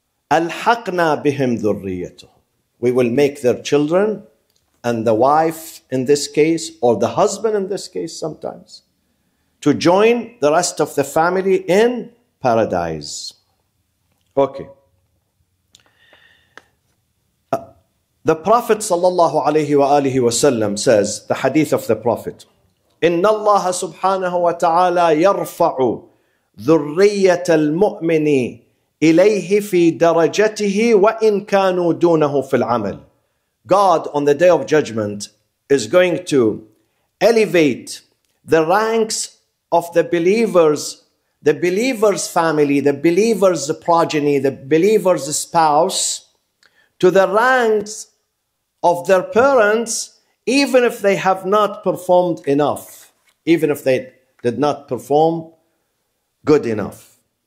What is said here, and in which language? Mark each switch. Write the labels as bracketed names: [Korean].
[Arabic] أَلْحَقْنَا بِهِمْ ذُرِّيَّتُهُمْ. [English] We will make their children and the wife in this case, or the husband in this case sometimes, to join the rest of the family in paradise. Okay. The Prophet sallallahu alayhi wa alihi wa sallam says, the hadith of the Prophet, [Arabic] إِنَّ اللَّهَ سُبْحَانَهُ وَتَعَالَى يَرْفَعُ ذُرِّيَّةَ الْمُؤْمِنِ إِلَيْهِ فِي دَرَجَتِهِ وَإِنْ كَانُوا دُونَهُ فِي الْعَمَلِ. [English] God on the day of judgment is going to elevate the ranks of the believers' family, the believers' progeny, the believers' spouse, to the ranks of their parents, even if they have not performed enough, even if they did not perform good enough.